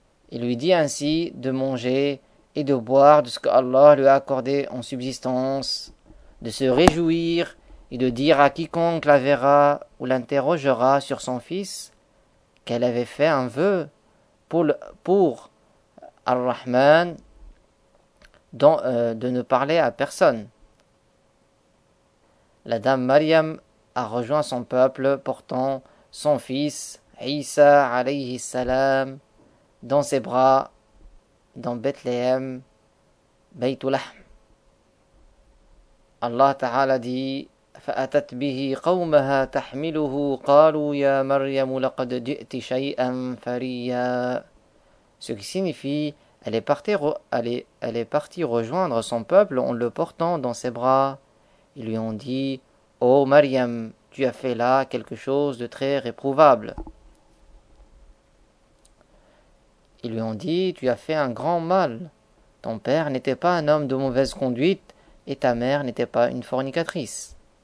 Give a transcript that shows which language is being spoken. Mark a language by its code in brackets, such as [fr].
[fr] Il lui dit ainsi de manger et de boire de ce que Allah lui a accordé en subsistance, de se réjouir et de dire à quiconque la verra ou l'interrogera sur son fils qu'elle avait fait un vœu pour Ar-Rahman de ne parler à personne. La dame Mariam a rejoint son peuple portant son fils Issa alayhi salam dans ses bras dans Bethléem, Beitoulah. Allah Ta'ala dit: [ar] فأتت به قومها تحمله قالوا يا مريم لقد جئت شيئا فريا. [fr] Ce qui signifie: elle est partie rejoindre son peuple en le portant dans ses bras. Ils lui ont dit: ô Mariam, tu as fait là quelque chose de très réprouvable. Ils lui ont dit: tu as fait un grand mal. Ton père n'était pas un homme de mauvaise conduite et ta mère n'était pas une fornicatrice.